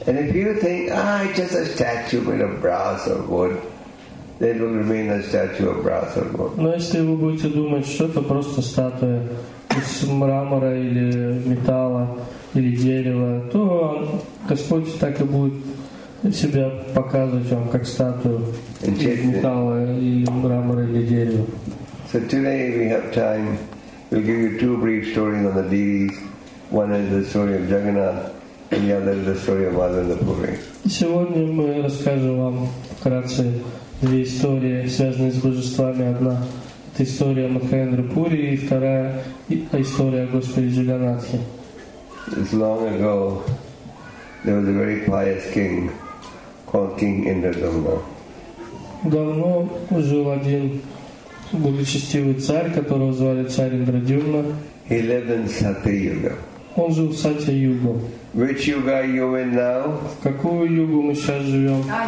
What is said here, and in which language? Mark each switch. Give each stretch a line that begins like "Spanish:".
English: And if you think, it's just a statue made of brass or wood, then it will remain a statue of brass or wood.
Russian: Но если вы будете думать, что это просто статуя, из мрамора или металла или дерева, то Господь так и будет себя показывать вам как статую из металла или мрамора или дерева.
English: So today we have time. We'll give you two brief stories on the deities. One is the story of Jagannath, and the other is the story of Ananda Puri.
Russian: Сегодня мы расскажем вам вкратце две истории, связанные с божествами. Одна — это история Махендры Пури, и вторая — история о Господе Джаганнатхе.
English: It's long ago, there was a very pious king called King Indradumna.
Russian: Давно жил один благочестивый царь, которого звали царь Индрадюмна.
English: He lived in Satya-yuga.
Russian: Он жил в Сатья-югу.
English: Which yuga are you in now?
Russian: В какую югу мы сейчас живем?